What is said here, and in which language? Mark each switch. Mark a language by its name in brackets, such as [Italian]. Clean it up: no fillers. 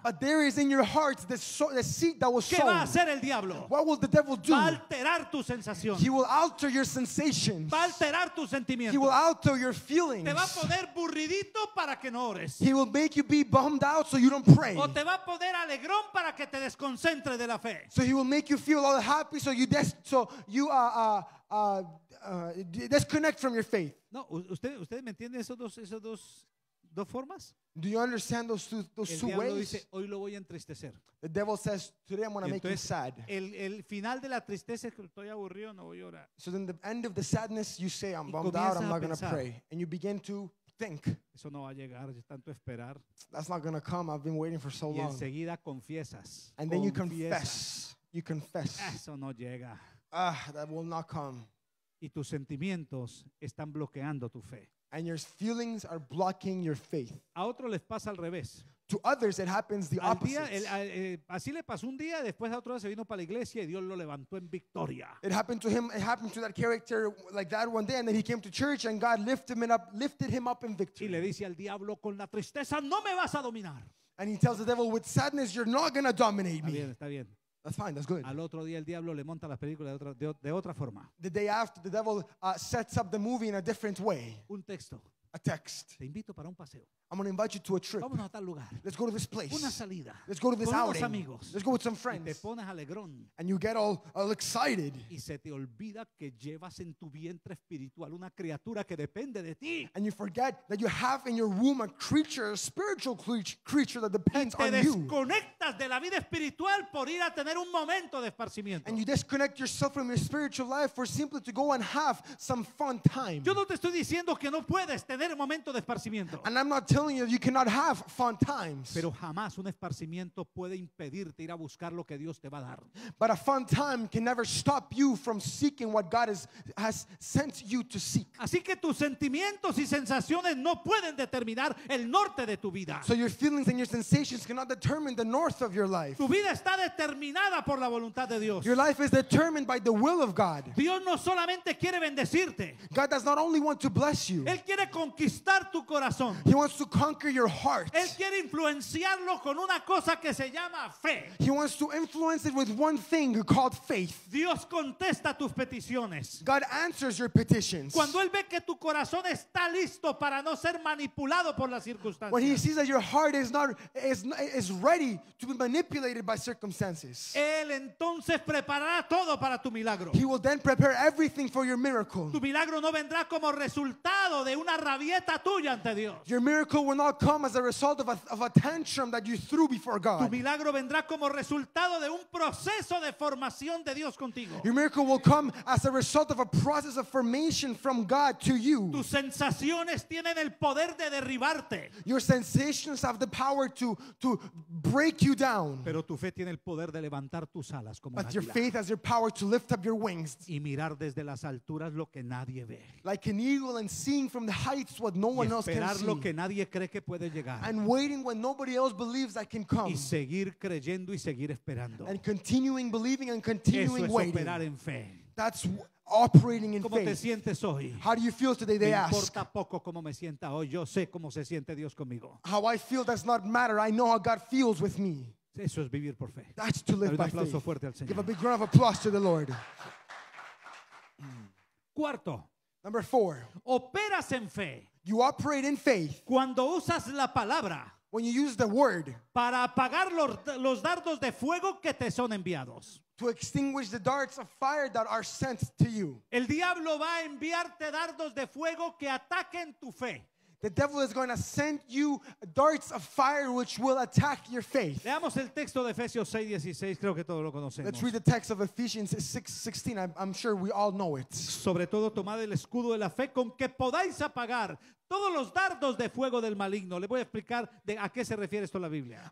[English] But there is in your heart the seed that was sown. [Spanish] ¿Qué va a hacer el diablo? [English] What will the devil do? [Spanish] Va a alterar tu sensación. [English] He will alter your sensations. [Spanish] Va a alterar tu sentimiento. [English] He will alter your feelings. [Spanish] Te va a poner burridito para que no ores. [English] He will make you be bummed out so you don't pray. [Spanish] O te va a poner alegrón para que te desconcentres de la fe. [English] So he will make you feel all happy so you disconnect from your faith. [Spanish] No, usted me entiende esos dos formas? [English] Do you understand those two ways? [Spanish] El diablo dice, hoy lo voy a entristecer. [English] The devil says, today I'm going to make you sad. [Spanish] El final de la tristeza es que estoy aburrido, no voy a orar. [English] So then the end of the sadness, you say, I'm bummed out, I'm not going to pray. And you begin to think. [Spanish] Eso no va a llegar, es tanto esperar. [English] That's not going to come, I've been waiting for so long. [Spanish] Y enseguida confiesas. [English] And then you confess. You confess. [Spanish] Eso no llega. [English] That will not come. [Spanish] Y tus sentimientos están bloqueando tu fe. [English] And your feelings are blocking your faith. [Spanish] A otro les pasa al revés. [English] To others, it happens the opposite. [Spanish] Así le pasó un día, después a otro día se vino para la iglesia y Dios lo levantó en victoria. [English] It happened to him. It happened to that character like that one day, and then he came to church and God lifted him up in victory. [Spanish] Y le dice al diablo con la tristeza, no me vas a dominar. [English] And he tells the devil with sadness, you're not going to dominate me. [Spanish] Está bien, está bien. [English] That's fine, that's good. [Spanish] Al otro día el diablo le monta las películas de otra forma. [English] The day after, the devil sets up the movie in a different way. [Spanish] Un texto. [English] A text. [Spanish] Te invito para un paseo. [English] I'm going to invite you to a trip. [Spanish] Vamos a tal lugar. [English] Let's go to this place. [Spanish] Una salida. [English] Let's go to this [Spanish] con [English] outing. [Spanish] Unos amigos. [English] Let's go with some friends. [Spanish] Y te pones alegrón. [English] And you get all excited. [Spanish] Y se te olvida que llevas en tu vientre espiritual una criatura que depende de ti. [English] And you forget that you have in your womb a creature, a spiritual creature that depends on you. [Spanish] Y te desconectas de la vida espiritual por ir a tener un momento de esparcimiento. [English] And you disconnect yourself from your spiritual life for simply to go and have some fun time. [Spanish] Yo no te estoy diciendo que no puedes tener un momento de esparcimiento. [English] And I'm not telling you cannot have fun times. [Spanish] Pero jamás un esparcimiento puede impedirte ir a buscar lo que Dios te va a dar. [English] But a fun time can never stop you from seeking what God has sent you to seek. [Spanish] Así que tus sentimientos y sensaciones no pueden determinar el norte de tu vida. [English] So your feelings and your sensations cannot determine the north of your life. [Spanish] Tu vida está determinada por la voluntad de Dios. [English] Your life is determined by the will of God. [Spanish] Dios no solamente quiere bendecirte. [English] God does not only want to bless you. [Spanish] Él quiere conquistar tu corazón. [English] He wants to conquer your heart. [Spanish] Él quiere influenciarlo con una cosa que se llama fe. [English] He wants to influence it with one thing called faith. [Spanish] Dios contesta tus peticiones. [English] God answers your petitions. [Spanish] Cuando él ve que tu corazón está listo para no ser manipulado por las circunstancias. [English] When he sees that your heart is ready to be manipulated by circumstances. [Spanish] Él entonces preparará todo para tu milagro. [English] He will then prepare everything for your miracle. [Spanish] Tu milagro no vendrá como resultado de una rabia dieta tuya ante Dios. [English] Your miracle will not come as a result of a tantrum that you threw before God. [Spanish] Tu milagro vendrá como resultado de un proceso de formación de Dios contigo. [English] Your miracle will come as a result of a process of formation from God to you. [Spanish] Tus sensaciones tienen el poder de derribarte. [English] Your sensations have the power to break you down. [Spanish] Pero tu fe tiene el poder de levantar tus alas como [English] águila. But your faith has your power to lift up your wings. [Spanish] Y mirar desde las alturas lo que nadie ve. [English] Like an eagle and seeing from the heights what no one else can [Spanish] esperar lo [English] see. [Spanish] Que nadie cree que puede llegar. [English] And waiting when nobody else believes that can come. [Spanish] Y seguir creyendo y seguir esperando. [English] And continuing believing and continuing [Spanish] Eso es [English] waiting. [Spanish] Operar en fe. [English] That's operating in [Spanish] ¿Cómo [English] faith. [Spanish] Te sientes hoy? [English] How do you feel today? They [Spanish] me [English] ask. [Spanish] Importa poco cómo me sienta hoy. Yo sé cómo se siente Dios conmigo. [English] How I feel does not matter. I know how God feels with me. [Spanish] Eso es vivir por fe. [English] That's to live by faith. [Spanish] Fuerte al Señor. [English] Give a big round of applause to the Lord. [Spanish] Cuarto. [English] Number four. [Spanish] Operas en fe. [English] You operate in faith. [Spanish] Cuando usas la palabra. [English] When you use the word. [Spanish] Para apagar los dardos de fuego que te son enviados. [English] To extinguish the darts of fire that are sent to you. [Spanish] El diablo va a enviarte dardos de fuego que ataquen tu fe. [English] The devil is going to send you darts of fire which will attack your faith. [Spanish] Leamos el texto de Efesios 6:16, creo que todos lo conocemos. [English] Let's read the text of Ephesians 6:16. I'm sure we all know it. [Spanish] Sobre todo tomad el escudo de la fe con que podáis apagar todos los dardos de fuego del maligno. Le voy a explicar de a qué se refiere esto en la Biblia.